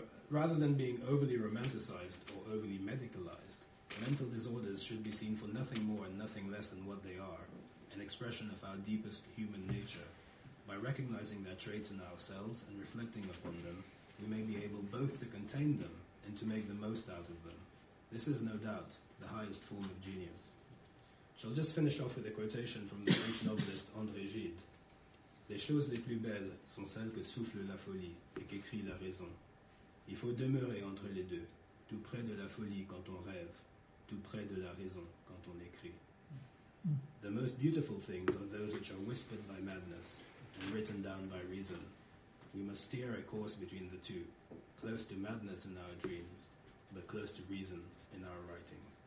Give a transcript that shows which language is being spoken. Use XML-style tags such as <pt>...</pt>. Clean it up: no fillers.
<en>Rather than being overly romanticized or overly medicalized, mental disorders should be seen for nothing more and nothing less than what they are, an expression of our deepest human nature. By recognizing their traits in ourselves and reflecting upon them, we may be able both to contain them and to make the most out of them. This is, no doubt, the highest form of genius. Shall just finish off with a quotation from the French novelist André Gide.</en> <fr>Les choses les plus belles sont celles que souffle la folie et qu'écrit la raison. Il faut demeurer entre les deux, tout près de la folie quand on rêve, tout près de la raison quand on écrit.</fr> <en>The most beautiful things are those which are whispered by madness and written down by reason. We must steer a course between the two, close to madness in our dreams, but close to reason in our writing.</en>